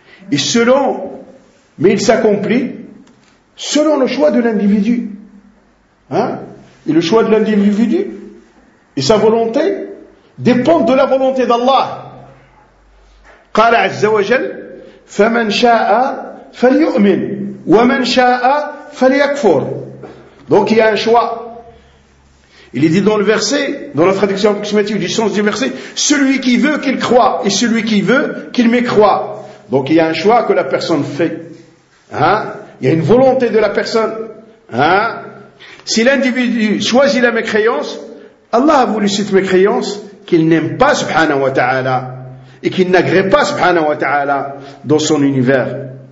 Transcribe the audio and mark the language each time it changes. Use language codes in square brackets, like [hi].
[fr] Et selon, mais il s'accomplit selon le choix de l'individu. Hein? Et le choix de l'individu et sa volonté dépendent de la volonté d'Allah. [ar] قال عز وجل فمن شاء فليؤمن ومن شاء فليكفر. [fr] Donc il y a un choix. Il est dit dans le verset, dans la traduction approximative du sens du verset, celui qui veut qu'il croit et celui qui veut qu'il mécroit. Donc il y a un choix que la personne fait. Hein? Il y a une volonté de la personne. Hein? Si l'individu choisit la mécréance, Allah a voulu cette mécréance qu'il n'aime pas [ar] subhanahu wa ta'ala [fr] et qu'il n'agrée pas subhanahu wa ta'ala dans son univers.